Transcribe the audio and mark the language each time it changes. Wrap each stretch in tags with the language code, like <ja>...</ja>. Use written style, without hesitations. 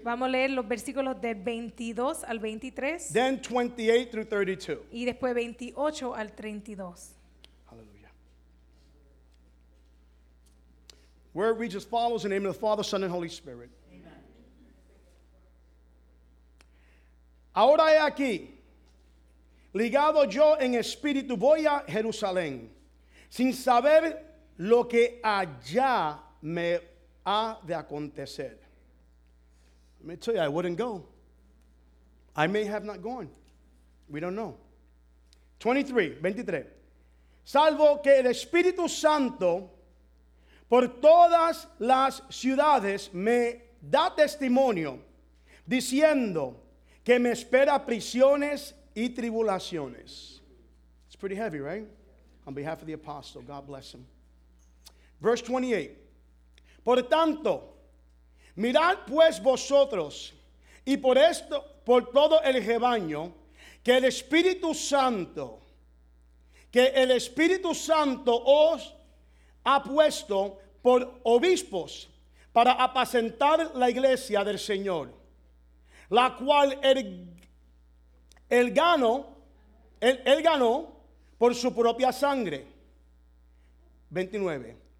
<es>Vamos a leer los versículos de 22 al 23.</es> <en>Then 28 through 32.</en> <es>Y después 28 al 32.</es> <en>Where it reads as follows, in the name of the Father, Son, and Holy Spirit. Amen.</en> <es>Ahora he aquí, ligado yo en espíritu voy a Jerusalén, sin saber lo que allá me ha de acontecer.</es> <en>Let me tell you, I wouldn't go. I may have not gone. We don't know. 23.</en> <es>Salvo que el Espíritu Santo por todas las ciudades me da testimonio, diciendo que me espera prisiones y tribulaciones.</es> <en>It's pretty heavy, right? On behalf of the apostle, God bless him. Verse 28.</en> <es>Por tanto, mirad pues vosotros, y por esto, por todo el rebaño, que el Espíritu Santo, que el Espíritu Santo os ha puesto por obispos, para apacentar la iglesia del Señor, la cual él ganó por su propia sangre. 29.</es>